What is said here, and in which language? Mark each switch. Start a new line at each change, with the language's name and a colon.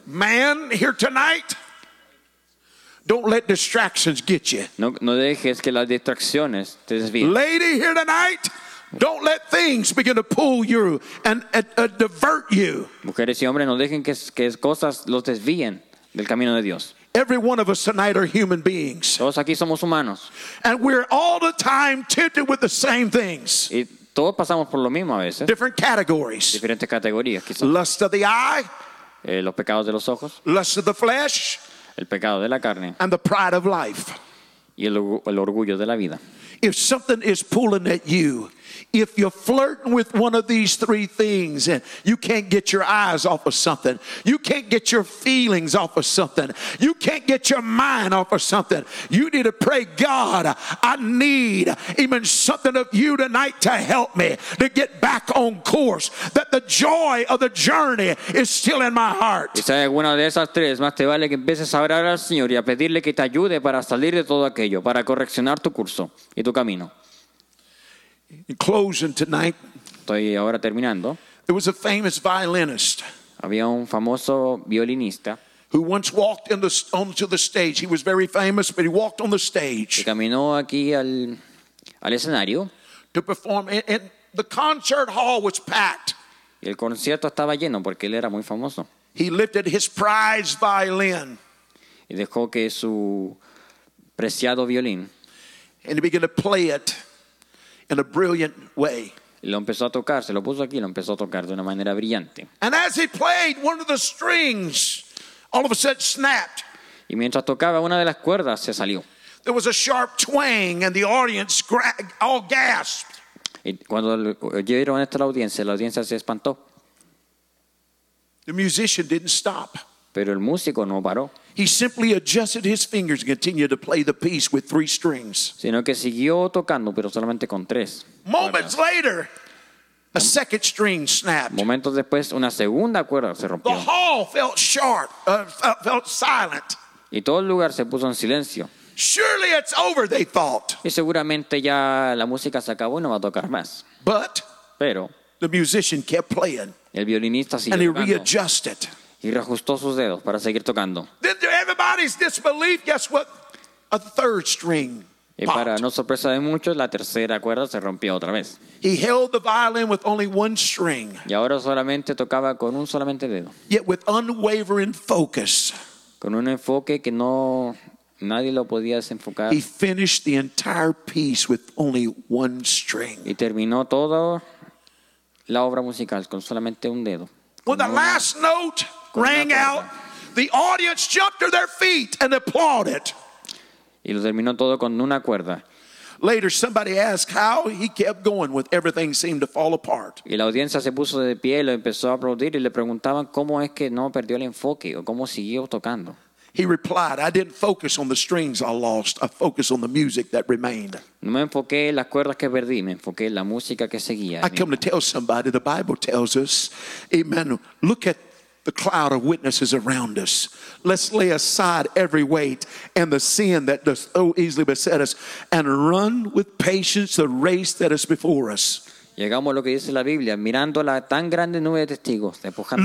English: Man, here tonight, don't let distractions get you.
Spanish: No, no dejes que las distracciones te desvíen.
English: Lady, here tonight, don't let things begin to pull you and divert you.
Spanish: Mujeres y hombres, no dejen que cosas los desvíen del camino de Dios.
English: Every one of us tonight are human beings.
Spanish: Todos aquí somos humanos.
English: And we're all the time tempted with the same things.
Spanish: Todos pasamos por lo mismo a veces.
English: Different categories.
Spanish: Diferentes categorías, quizás.
English: Lust of the eye.
Spanish: Los pecados de los ojos.
English: Lust of the flesh.
Spanish: El pecado de la carne.
English: And the pride of life.
Spanish: Y el orgullo de la vida.
English: If something is pulling at you, if you're flirting with one of these three things and you can't get your eyes off of something, you can't get your feelings off of something, you can't get your mind off of something, you need to pray, God, I need even something of you tonight to help me to get back on course, that the joy of the journey is still in my heart.
Spanish: Si hay alguna de esas tres, más te vale que empieces a orar al Señor y a pedirle que te ayude para salir de todo aquello, para correccionar tu curso y tu camino.
English: In closing tonight,
Spanish: estoy ahora terminando.
English: There was a famous violinist.
Spanish: Había un famoso violinista
English: who once walked onto the stage. He was very famous, but he walked on the stage.
Spanish: Caminó aquí al escenario
English: to perform, and the concert hall was packed.
Spanish: Y el concierto estaba lleno porque él era muy famoso.
English: He lifted his prized violin.
Spanish: Y dejó que su preciado violín.
English: And he began to play it. In a brilliant way.
Spanish: Lo empezó a tocar, se lo puso aquí, lo empezó a tocar de una manera brillante.
English: And as he played, one of the strings all of a sudden snapped.
Spanish: Y mientras tocaba, una de las cuerdas se salió.
English: There was a sharp twang and the audience all gasped.
Spanish: Y cuando oyeron esto la audiencia se espantó.
English: The musician didn't stop.
Spanish: Pero el músico no paró.
English: He simply adjusted his fingers and continued to play the piece with three strings.
Spanish: Sino que siguió tocando, pero solamente con tres.
English: Moments later, a second string snapped.
Spanish: Momentos después, una segunda cuerda se rompió.
English: The hall felt sharp, felt silent.
Spanish: Y todo el lugar se puso en silencio.
English: Surely it's over, they thought.
Spanish: Y seguramente ya la música se acabó y no va a tocar más.
English: But
Spanish: pero
English: the musician kept playing.
Spanish: El violinista siguió
English: and
Spanish: tocando.
English: He readjusted.
Spanish: Y reajustó sus dedos para seguir tocando.
English: Then everybody's disbelief, guess what? A third string popped.
Spanish: Y para no sorpresa de muchos, la tercera cuerda se rompió otra vez.
English: He held the violin with only one string.
Spanish: Y ahora solamente tocaba con un solamente dedo.
English: Yet with unwavering focus.
Spanish: Con un enfoque que no nadie lo podía desenfocar.
English: He finished the entire piece with only one string.
Spanish: Y terminó toda la obra musical con solamente un dedo.
English: When the last note rang out, the audience jumped to their feet and applauded.
Spanish: Y lo terminó todo con una cuerda.
English: Later, somebody asked how he kept going with everything seemed to fall apart.
Spanish: Y la audiencia se puso de pie y lo empezó a aplaudir y le preguntaban cómo es que no perdió el enfoque o cómo siguió tocando.
English: He replied, "I didn't focus on the strings I lost. I focused on the music that remained."
Spanish: No me enfoqué en las cuerdas que perdí, me enfoqué en la música que seguía.
English: I come to tell somebody, the Bible tells us, "Amen." Look at the cloud of witnesses around us. Let's lay aside every weight and the sin that does so easily beset us, and run with patience the race that is before us.
Spanish: Llegamos a lo que dice la Biblia, mirando la tan grande nube de testigos, empujando